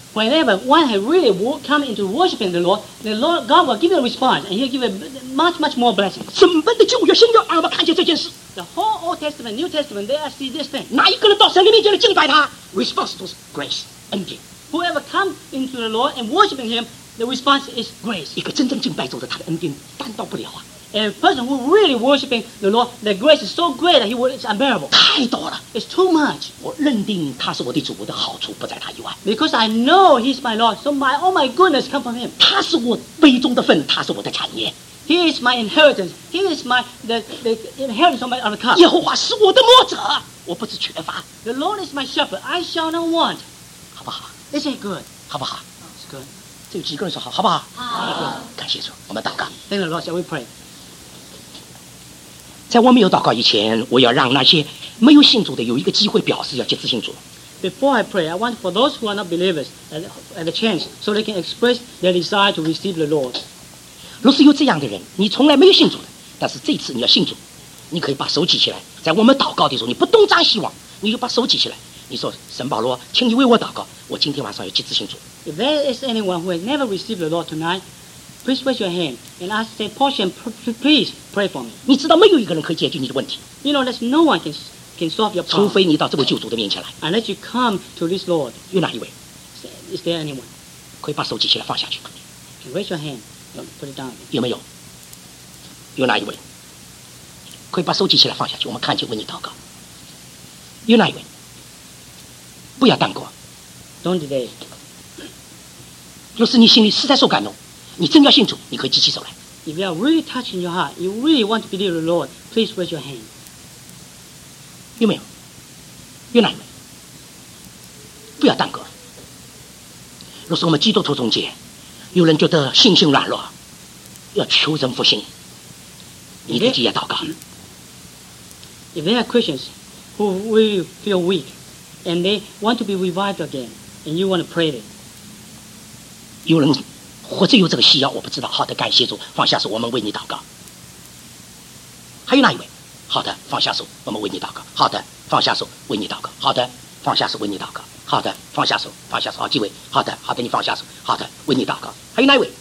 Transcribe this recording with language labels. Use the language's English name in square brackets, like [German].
[English] Whenever one has really come into worshiping the Lord, the Lord God will give you a response, and He'll give a much more blessing. [Chinese] 整本的旧约、新约，让我们看见这件事。 [English] The whole Old Testament, New Testament, they see this thing. [Chinese] 哪一个人到神的面前来敬拜他 ？Response 都是 grace， 恩典。 [English] Whoever come into the Lord and worshiping Him, the response is grace. [Chinese] 一个真正敬拜主的，他的恩典担当不了啊。 [English] A person who really worshiping the Lord, the grace is so great that he will, it's unbearable. [Chinese] 太多了, [English] it's too much. [Chinese] 我认定他是我的主，我的好处不在他以外。 [English] Because I know he's my Lord, so my all my goodness come from him. [Chinese] 他是我杯中的份，他是我的产业。 [English] He is my inheritance. He is my the inheritance of my own cup. [Chinese] 耶和华是我的牧者，我不知缺乏。 [English] The Lord is my shepherd. I shall not want. [Chinese] 好不好 [English] ？Is it good? [Chinese] 好不好 [English] ？It's good. [Chinese] 这个几个人说好，好不好？好。感谢主，我们祷告。 [English] Thank the Lord. Shall we pray? [Chinese] 在我没有祷告以前，我要让那些没有信主的有一个机会表示要接受信主。 [English] Before I pray, I want for those who are not believers a chance so they can express their desire to receive the Lord. [Chinese] 若是有这样的人，你从来没有信主的，但是这次你要信主，你可以把手举起来，在我们祷告的时候，你不东张西望，你就把手举起来，你说：“神保罗，请你为我祷告，我今天晚上要接受信主。” [English] If there is anyone who has never received the Lord tonight, please raise your hand and ask the portion. Please pray for me. [Chinese] 你知道没有一个人可以解决你的问题。 [English] You know, there's no one can solve your problem. [Chinese] 除非你到这位救主的面前来。 [English] Unless you come to this Lord. [Chinese] 有哪一位 [English] ？Is there anyone? [Chinese] 可以把手举起来放下去。 [English] Can raise your hand. Put it down. [Chinese] 有没有？有哪一位？可以把手举起来放下去，我们看见为你祷告。有哪一位？不要当过。 [English] Don't delay. [Chinese] 若是你心里实在受感动。你真要信主，你可以举起手来。 [English] If you are really touching your heart, you really want to believe the Lord, please raise your hand. [Chinese] 有没有？有哪一位？不要耽搁。若是我们基督徒中间，有人觉得信心软弱，要求神复兴，你自己也祷告。 [English] If there are Christians who really feel weak, and they want to be revived again, and you want to pray it, [Chinese] 有人。或者有这个需要，我不知道。好的，感谢主，放下手，我们为你祷告。还有哪一位？好的，放下手，我们为你祷告。好的，放下手，为你祷告。好的，放下手，为你祷告。好的，放下手，放下手。好，几位？好的，好的，你放下手。好的，为你祷告。还有哪一位？